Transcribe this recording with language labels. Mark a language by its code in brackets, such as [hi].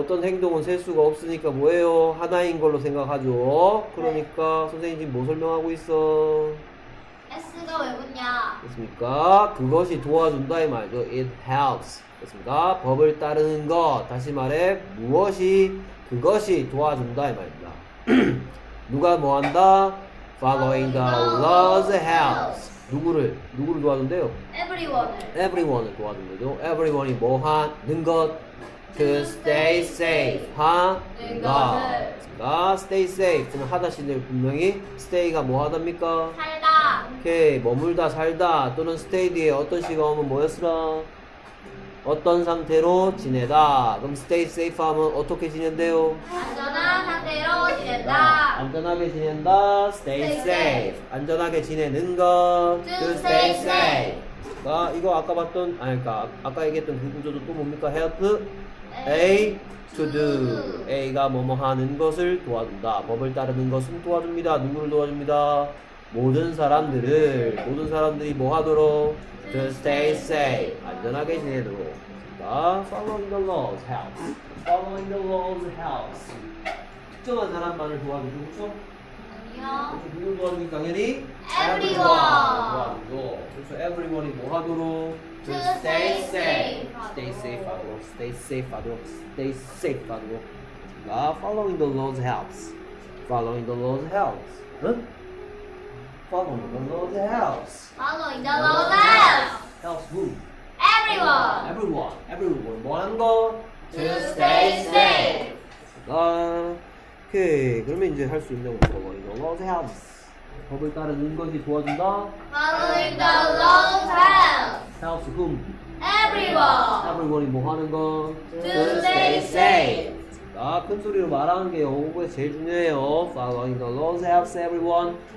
[ko] 어떤 행동은 셀 수가 없으니까 뭐예요? 하나인 걸로 생각하죠. 그러니까, 네. 선생님 지금 뭐 설명하고 있어? S가 왜 붙냐? 그렇습니까? 그것이 도와준다 이 말이죠. [en] It helps. [ko] 그렇습니까? 법을 따르는 것. 다시 말해 무엇이 그것이 도와준다 이 말입니다. 누가 뭐 한다? [en] Following the laws helps. [ko] 누구를 도와준대요? Everyone을 도와준 거죠. Everyone이 뭐 하는 것? [en] To stay safe. [ko] 하는 것. 그렇습니까? [en] Stay safe. [ko] 하다시는 분명히 stay가 뭐 하답니까? 오케이 머물다 살다 또는 스테이디의 어떤 시가오면 뭐였으라 어떤 상태로 지내다 그럼 스테이 세이프 하면 어떻게 지낸대요 안전한 상태로 지낸다 안전하게 지낸다 스테이 세이프 안전하게 지내는 것 [en] to stay safe [ko] 아, 이거 아까 봤던 아니 그러니까 아까 얘기했던 그 구조도 또 뭡니까 [en] help A to do [ko] A가 뭐뭐 하는 것을 도와준다 법을 따르는 것은 도와줍니다 누구를 도와줍니다 모든 사람들이 뭐 하도록 to stay safe 안전하게 지내도록 그렇습니다. [en] Following the laws helps. Following the laws helps. [ko] 특정한 사람만을 도와주죠, 그렇죠? 아니요. 누구를 도와주니 당연히 [en] everyone. [ko] 도와주죠. 그래서 everyone이 뭐 하도록 [en] to stay safe. Stay safe [ko] 하도록. [en] Stay safe 하도록. Stay safe 하도록. [ko] 그러니까 [en] following the laws helps. Following the laws helps. [ko] 응? [en] Following the laws helps. Following the laws helps. Helps who? Everyone. [ko] Everyone. 뭐 하는 거? [en] To stay safe. [ko] 아, 오케이. 그러면 이제 할 수 있는 거. [en] Following the laws helps. [ko] 법을 따르는 것이 도와준다. [en] Following the laws helps. Helps whom? Everyone. [ko] Everyone이 뭐 하는 거? [en] To stay safe. [ko] 아, 큰 소리로 말하는 게 영어공부에 제일 중요해요. [en] Following the laws helps everyone.